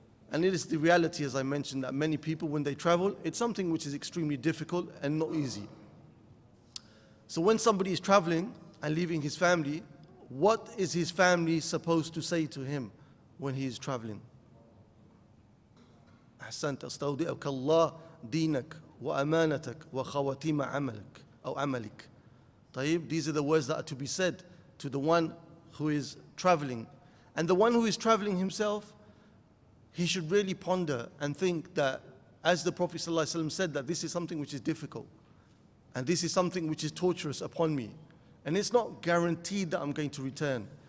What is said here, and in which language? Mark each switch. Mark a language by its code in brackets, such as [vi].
[en] And it is the reality, as I mentioned, that many people, when they travel, it's something which is extremely difficult and not easy. So when somebody is traveling and leaving his family, what is his family supposed to say to him when he is traveling? [ar] أحسنت أستودعك الله دينك وأمانتك وخواتيم عملك أو عملك. [en] طيب, these are the words that are to be said to the one who is traveling. And the one who is traveling himself, he should really ponder and think that, as the Prophet ﷺ said, that this is something which is difficult and this is something which is torturous upon me, and it's not guaranteed that I'm going to return.